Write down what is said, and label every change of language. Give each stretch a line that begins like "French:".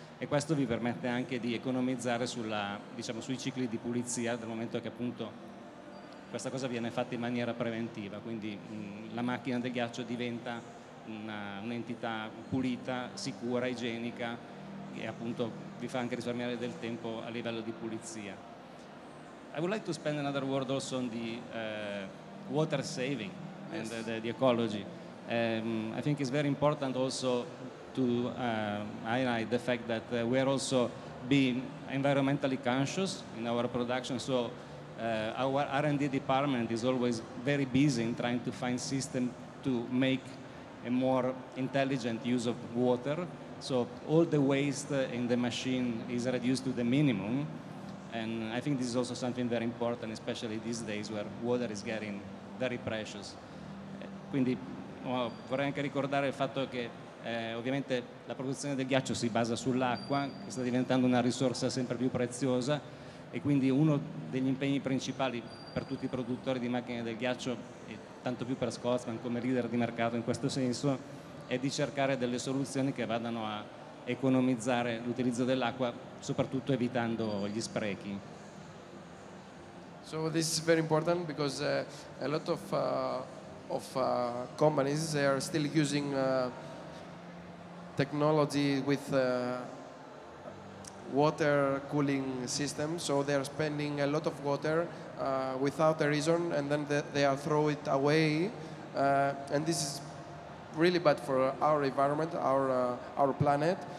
Italian: E questo vi permette anche di economizzare sulla, diciamo, sui cicli di pulizia, dal momento che appunto questa cosa viene fatta in maniera preventiva, quindi la macchina del ghiaccio diventa un'entità pulita, sicura, igienica, e appunto vi fa anche risparmiare del tempo a livello di pulizia.
English: I would like to spend another word also on the water saving and the ecology. I think it's very important also to highlight the fact that we are also being environmentally conscious in our production. So our R&D department is always very busy in trying to find systems to make a more intelligent use of water. So all the waste in the machine is reduced to the minimum. And I think this is also something very important, especially these days where water is getting very precious.
Italian: Quindi vorrei anche ricordare il fatto che ovviamente la produzione del ghiaccio si basa sull'acqua, che sta diventando una risorsa sempre più preziosa, e quindi uno degli impegni principali per tutti i produttori di macchine del ghiaccio, e tanto più per Scotsman come leader di mercato in questo senso, è di cercare delle soluzioni che vadano a economizzare l'utilizzo dell'acqua, soprattutto evitando gli sprechi.
English: So this is very important because a lot of companies, they are still using technology with water cooling system, so they are spending a lot of water without a reason, and then they are throw it away, and this is really bad for our environment, our planet.